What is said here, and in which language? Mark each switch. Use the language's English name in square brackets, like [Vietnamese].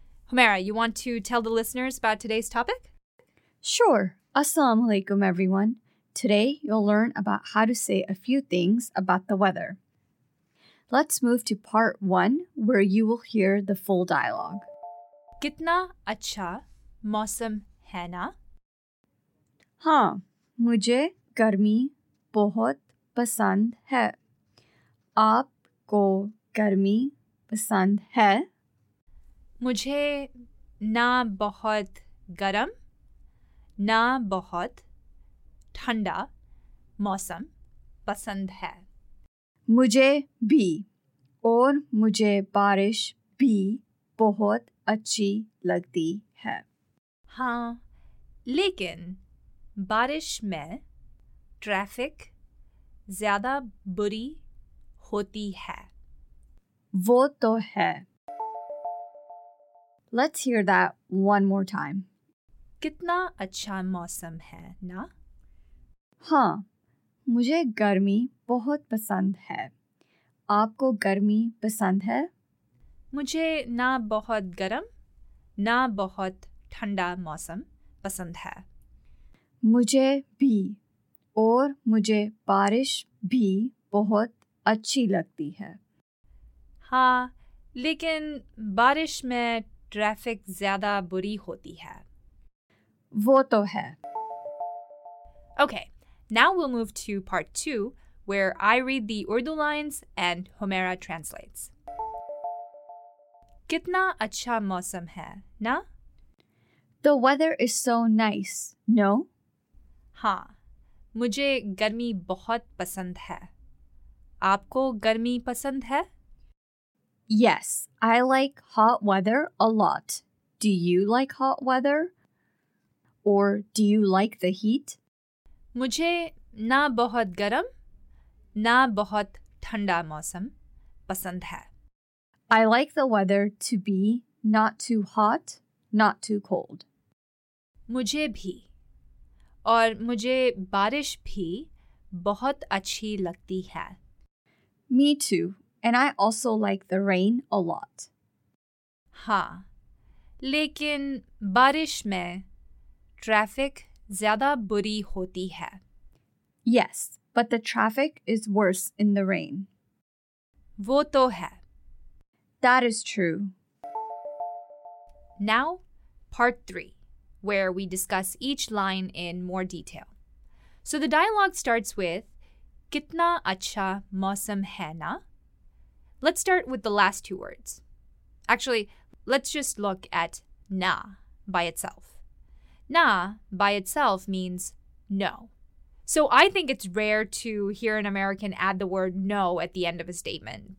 [English] Humaira, you want to tell the listeners about today's topic? Sure. Assalamu alaikum, everyone. Today, you'll learn about how to say a few things about the weather. Let's move to part one, where you will hear the full dialogue. [Urdu] کتنا اچھا موسم ہے نا؟ ہاں، مجھے گرمی بہت پسند ہے۔ آپ کو گرمی پسند ہے؟ مجھے نا بہت گرم، نا بہت ٹھنڈا موسم پسند ہے. مجھے بھی اور مجھے بارش بھی بہت اچھی لگتی ہے۔ ہاں، لیکن بارش میں ٹریفک زیادہ بری ہوتی ہے. وہ تو ہے۔ [English] Let's hear that one more time. [Urdu] کتنا اچھا موسم ہے نا؟ ہاں، مجھے گرمی بہت پسند ہے۔ آپکو گرمی پسند ہے؟ مجھے نا بہت گرم، نا بہت ٹھنڈا موسم پسند ہے. مجھے بھی، اور مجھے بارش بھی بہت اچھی لگتی ہے۔ ہاں، لیکن بارش میں ٹریفک زیادہ بری ہوتی ہے. وہ تو ہے۔ [English] Okay. Now we'll move to part two, where I read the Urdu lines and Humaira translates. [Urdu] کتنا اچھا موسم ہے، نا؟ [English] The weather is so nice, no? [Urdu] ہاں، مجھے گرمی بہت پسند ہے. آپ کو گرمی پسند ہے؟ [English] Yes, I like hot weather a lot. Do you like hot weather? Or do you like the heat? [Urdu] مجھے نا بہت گرم، نا بہت ٹھنڈا موسم پسند ہے. [English] I like the weather to be not too hot, not too cold. [Urdu] مجھے بھی. اور مجھے بارش بھی بہت اچھی لگتی ہے. [English] Me too. And I also like the rain a lot. [Urdu] Haan. لیکن بارش میں ٹریفک زیادہ بری ہوتی ہے. [English] Yes, but the traffic is worse in the rain. [Urdu] وہ تو ہے. [English] That is true. Now, part three, where we discuss each line in more detail. So the dialogue starts with, [Urdu] کتنا اچھا موسم ہے نا؟ [English] Let's start with the last two words. Actually, let's just look at na by itself. Na by itself means no. So I think it's rare to hear an American add the word no at the end of a statement.